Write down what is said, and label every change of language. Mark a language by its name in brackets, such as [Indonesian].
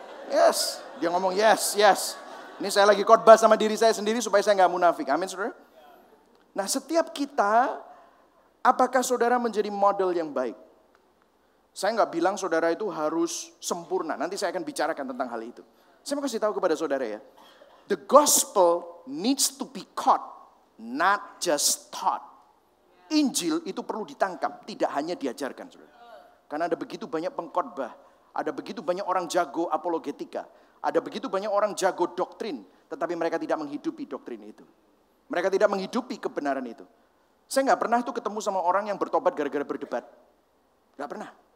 [Indonesian] Yes. Dia ngomong yes, yes. Ini saya lagi khotbah sama diri saya sendiri supaya saya gak munafik. Amin, saudara. Nah, setiap kita, apakah saudara menjadi model yang baik? Saya gak bilang saudara itu harus sempurna. Nanti saya akan bicarakan tentang hal itu. Saya mau kasih tahu kepada saudara ya. [English] The gospel needs to be caught, not just taught. [Indonesian] Injil itu perlu ditangkap, tidak hanya diajarkan, saudara. Karena ada begitu banyak pengkhotbah, ada begitu banyak orang jago apologetika, ada begitu banyak orang jago doktrin, tetapi mereka tidak menghidupi doktrin itu. Mereka tidak menghidupi kebenaran itu. Saya gak pernah tuh ketemu sama orang yang bertobat gara-gara berdebat. Gak pernah.